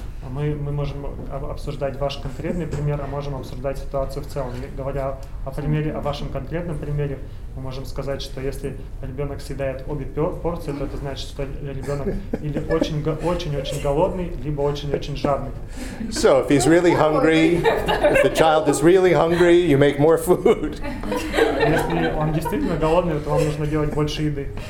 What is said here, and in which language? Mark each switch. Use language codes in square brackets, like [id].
[ru] Мы можем обсуждать ваш конкретный пример, а можем обсуждать ситуацию в целом. Говоря о примере, о вашем конкретном примере, мы можем сказать, что если ребенок съедает обе порции, то это значит, что ребенок или очень-очень голодный, либо очень-очень жадный. [en] So, if he's really hungry, if the child is really hungry, you make more food. [ru] Если он действительно голодный, то вам нужно делать больше еды.